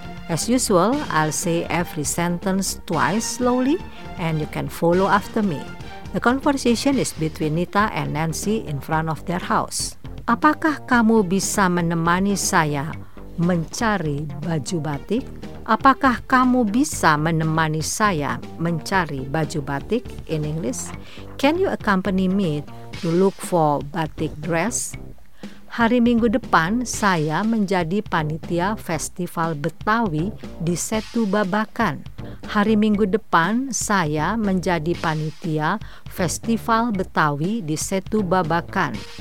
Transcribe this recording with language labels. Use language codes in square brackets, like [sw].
[en] As usual, I'll say every sentence twice slowly, and you can follow after me. The conversation is between Nita and Nancy in front of their house. [id] Apakah kamu bisa menemani saya mencari baju batik? Apakah kamu bisa menemani saya mencari baju batik? [en] In English, can you accompany me to look for batik dress? [id] Hari Minggu depan, saya menjadi panitia Festival Betawi di Setu Babakan. Hari Minggu depan, saya menjadi panitia Festival Betawi di Setu Babakan.